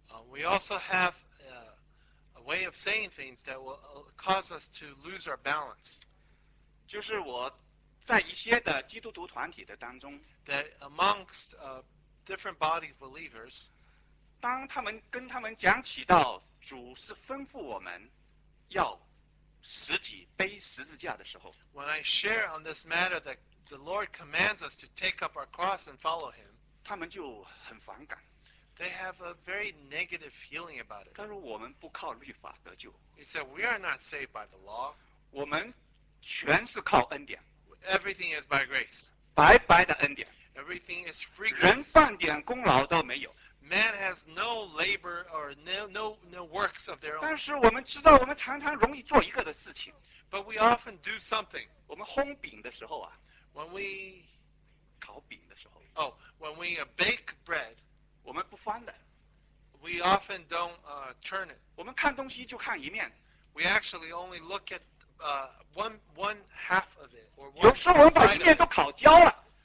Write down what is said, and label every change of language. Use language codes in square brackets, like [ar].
[en] We also have a way of saying things that will cause us to lose our balance. [zh] 就是我在一些的基督徒团体的当中。 [en] That amongst different bodies of believers. [zh] 当他们跟他们讲起到主是吩咐我们要实际背十字架的时候。 [en] When I share on this matter that the Lord commands us to take up our cross and follow him. [zh] 他们就很反感。 [en] They have a very negative feeling about it. [zh] 他说我们不靠律法得救。 [en] He said, we are not saved by the law. [zh] 我们全是靠恩典。 [en] Everything is by grace. [zh] 白白的恩典。 [en] Everything is free grace. [zh] 人半点功劳都没有。 [en] Man has no labor or no works of their own. [zh] 但是我们知道我们常常容易做一个的事情。 [en] But we often do something. [zh] 我们烘饼的时候啊。 [en] When we... [zh] 烤饼的时候。 [en] Oh, when we bake bread. [zh] 我们不翻的。 [en] We often don't turn it. [zh] 我们看东西就看一面。 [en] We actually only look at one half of it. Or one [zh] 有时候我们把一面都烤焦了。